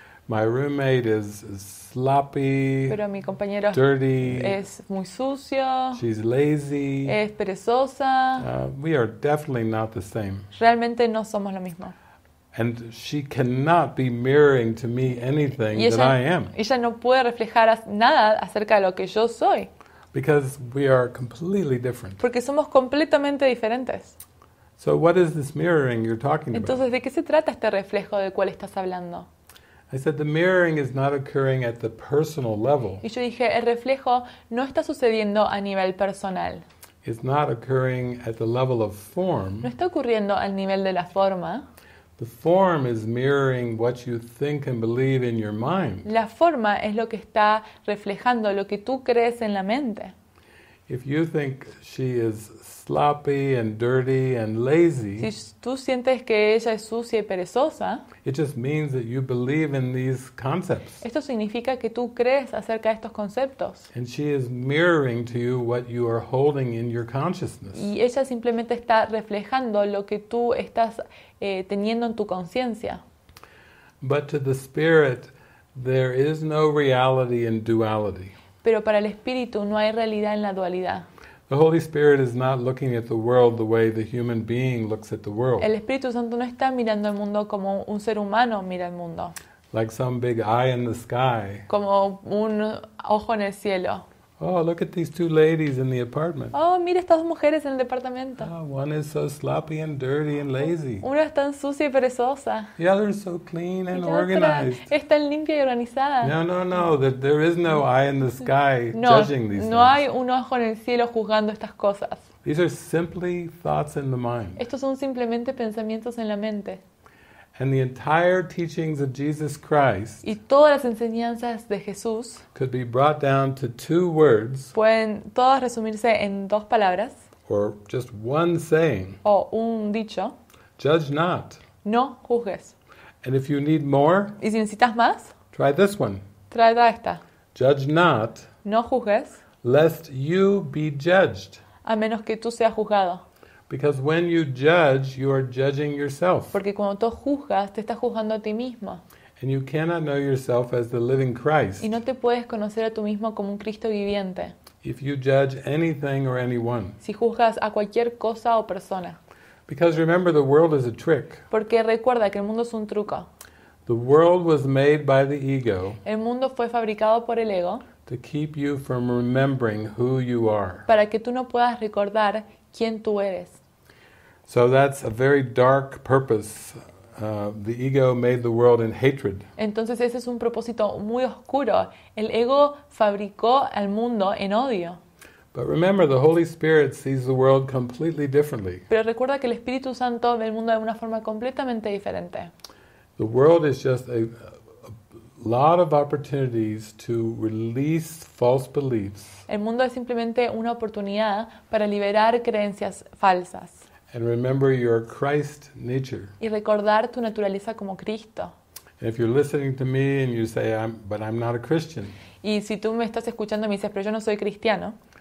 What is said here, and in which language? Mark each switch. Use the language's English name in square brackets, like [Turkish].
[English] "My roommate is sloppy." [Spanish] Pero mi compañero [English] dirty, [Spanish] es muy sucio. [English] "She's lazy." [Spanish] Es perezosa. [English] "We are definitely not the same." [Spanish] Realmente no somos lo mismo. [English] "And she cannot be mirroring to me anything [Spanish] ella, [English] that I am." [Spanish] Ella no puede reflejar nada acerca de lo que yo soy. [English] "Because we are completely different." [Spanish] Porque somos completamente diferentes. [English] "So what is this mirroring you're talking [Spanish] entonces, [English] about?" [Spanish] Entonces, ¿de qué se trata este reflejo del cual estás hablando? [English] I said the mirroring is not occurring at the personal level. [Spanish] Y yo dije, el reflejo no está sucediendo a nivel personal. [English] It's not occurring at the level of form. [Spanish] No está ocurriendo al nivel de la forma. [English] The form is mirroring what you think and believe in your mind. [Spanish] La forma es lo que está reflejando lo que tú crees en la mente. [English] If you think she is sloppy and dirty and lazy, [Spanish] si tú sientes que ella es sucia y perezosa, [English] it just means that you believe in these concepts. [Spanish] Esto significa que tú crees acerca de estos conceptos. [English] And she is mirroring to you what you are holding in your consciousness. [Spanish] Y ella simplemente está reflejando lo que tú estás teniendo en tu conciencia. [English] But to the spirit, there is no reality in duality. [Spanish] Pero para el espíritu no hay realidad en la dualidad. [English] The Holy Spirit is not looking at the world the way the human being looks at the world. [Spanish] El Espíritu Santo no está mirando el mundo como un ser humano mira el mundo. [English] Like some big eye in the sky. [Spanish] Como un ojo en el cielo. [English] "Oh, look at these two ladies in the apartment." [Spanish] Oh, mira estas dos mujeres en el departamento. [English] "Oh, one is so sloppy and dirty and lazy." [Spanish] Una es tan sucia y perezosa. [English] "The other is so clean and organized." [Spanish] Es tan limpia y organizada. [English] No, there is no eye in the sky [Spanish] no, [English] judging these things. [Spanish] No hay un ojo en el cielo juzgando estas cosas. [English] These are simply thoughts in the mind. [Spanish] Estos son simplemente pensamientos en la mente. [English] And the entire teachings of Jesus Christ [Spanish] y todas las enseñanzas de Jesús [English] could be brought down to two words, [Spanish] pueden todas resumirse en dos palabras, [English] or just one saying, [Spanish] o un dicho, [English] "Judge not." [Spanish] No juzgues. [English] And if you need more, [Spanish] y si necesitas más, [English] try this one. [Spanish] Trata esta. [English] "Judge not." [Spanish] No juzgues. [English] "Lest you be judged." [Spanish] A menos que tú seas juzgado. [English] Because when you judge, you are judging yourself. [Spanish] Porque cuando tú juzgas, te estás juzgando a ti mismo. [English] And you cannot know yourself as the living Christ. [Spanish] Y no te puedes conocer a tú mismo como un Cristo viviente. [English] If you judge anything or anyone. [Spanish] Si juzgas a cualquier cosa o persona. [English] Because remember, the world is a trick. [Spanish] Porque recuerda que el mundo es un truco. [English] The world was made by the ego. [Spanish] El mundo fue fabricado por el ego. [English] To keep you from remembering who you are. [Spanish] Para que tú no puedas recordar quién tú eres. [English] So that's a very dark purpose. The ego made the world in hatred. [Spanish] Entonces ese es un propósito muy oscuro. El ego fabricó al mundo en odio. [English] But remember, the Holy Spirit sees the world completely differently. [Spanish] Pero recuerda que el Espíritu Santo ve el mundo de una forma completamente diferente. [English] The world is just a lot of opportunities to release false beliefs. [Spanish] El mundo es simplemente una oportunidad para liberar creencias falsas. [English] And remember your Christ nature. [Spanish] Y recordar tu naturaleza como Cristo. [English] And if you're listening to me and you say, but I'm not a Christian. [Spanish] Y si tú me estás escuchando y me dices, pero yo no soy cristiano.